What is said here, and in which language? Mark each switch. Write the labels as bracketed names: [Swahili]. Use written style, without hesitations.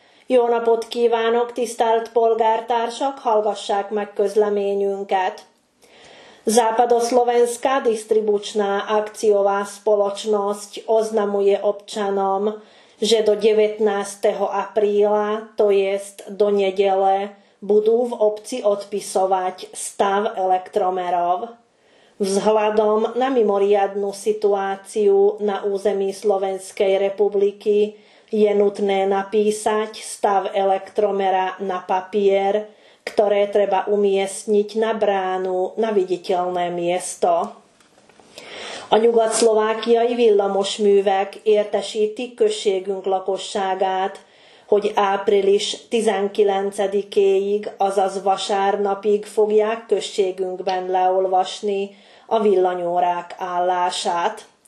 [Hungarian] Jóna podkívánok, tisztelt polgártársak, hallgassák meg közleményünket. [Slovak] Západoslovenská distribučná akciová spoločnosť oznamuje občanom, že do 19. apríla, to jest do nedele, budú v obci odpisovať stav elektromerov. Vzhľadom na mimoriadnu situáciu na území Slovenskej republiky je nutné napísať stav elektromera na papier, ktoré treba umiestniť na bránu na viditeľné miesto. [Hungarian] A nyugat-szlovákiai villamosművek értesíti községünk lakosságát, hogy április 19-éig, azaz vasárnapig fogják községünkben leolvasni a villanyórák állását.